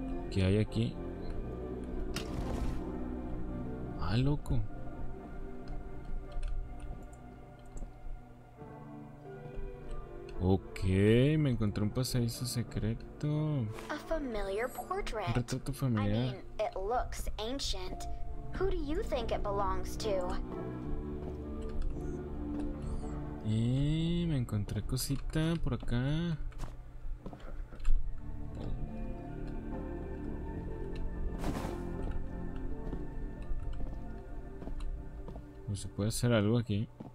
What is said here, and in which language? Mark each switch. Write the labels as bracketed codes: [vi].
[es] ¿Qué hay aquí? Ah, loco. Ok, me encontré un pasadizo secreto. [en] A familiar portrait. [es] Un retrato familiar. [en] I mean, it looks ancient. Who do you think it belongs to? [es] Y me encontré cosita por acá. Pues se puede hacer algo aquí.